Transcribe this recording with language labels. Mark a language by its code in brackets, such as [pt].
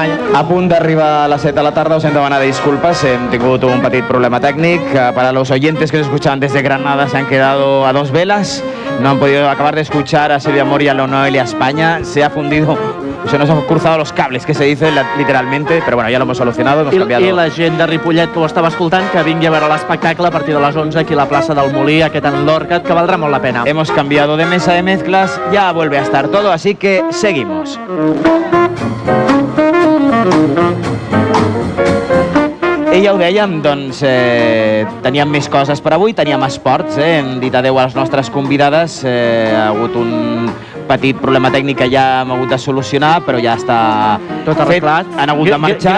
[ca] A punt d'arribar a les 7 de la tarda, us hem demanat disculpes, hem tingut un petit problema tècnic. [es] Para los oyentes que nos escuchaban desde Granada, se han quedado a dos velas. No han podido acabar de escuchar a Silvia Mori, a Noelia España. Se ha fundido, se nos han cruzado los cables, que se dice literalmente, pero bueno, ya lo hemos solucionado, hemos cambiado. [ca] I la gent de Ripollet que ho estava escoltant, que vingui a veure l'espectacle a partir de les 11 aquí a la plaça del Molí, aquest en Lorca, que valdrà molt la pena. [es] Hemos cambiado de mesa de mezclas, ya vuelve a estar todo, así que seguimos. [ca] I ja ho dèiem, doncs teníem més coses per avui, teníem esports, hem dit adeu a les nostres convidades, ha hagut un petit problema tècnic que ja hem hagut de solucionar, però ja està tot arreglat. Han hagut de marxar.